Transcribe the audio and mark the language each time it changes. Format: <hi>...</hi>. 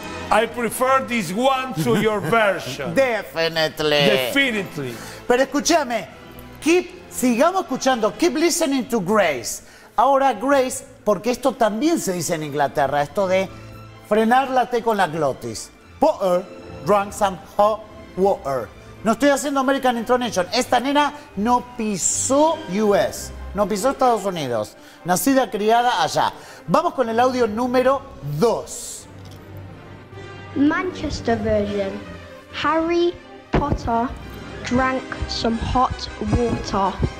<en>I prefer this one to your version. Definitely. Definitely.</en> <es>Pero escúchame, sigamos escuchando.</es> <en>Keep listening to Grace.</en> <es>Ahora, Grace, porque esto también se dice en Inglaterra, esto de frenar la T con la glotis.</es> <en>Potter drank some hot water.</en> <es>No estoy haciendo</es> <en>American intonation.</en> <es>Esta nena no pisó US. No pisó Estados Unidos. Nacida, criada allá. Vamos con el audio número 2.</es> <en>Manchester version. Harry Potter drank some hot water.</en>